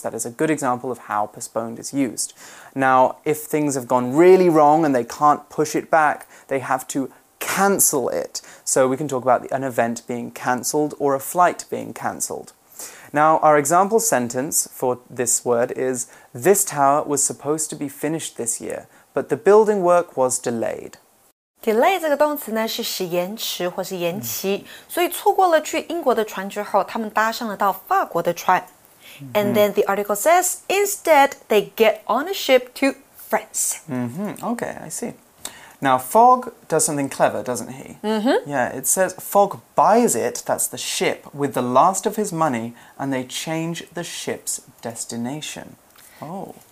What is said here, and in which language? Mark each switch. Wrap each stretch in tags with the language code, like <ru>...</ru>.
<en>That is a good example of how postponed is used. Now, if things have gone really wrong and they can't push it back, they have to cancel it. So we can talk about an event being cancelled or a flight being cancelled. Now, our example sentence for this word is, this tower was supposed to be finished this year, but the building work was delayed.</en> <zh>Delay 这个动词呢是使延迟或是延期、mm-hmm. 所以错过了去英国的船之后他们搭上了到法国的船、mm-hmm.</zh> <en>And then the article says Instead, they get on a ship to France、 mm-hmm. Okay, I see Now, Fogg does something clever, doesn't he?、 Mm-hmm. Yeah, it says Fogg buys it, that's the ship with the last of his money and they change the ship's destination Oh,</en>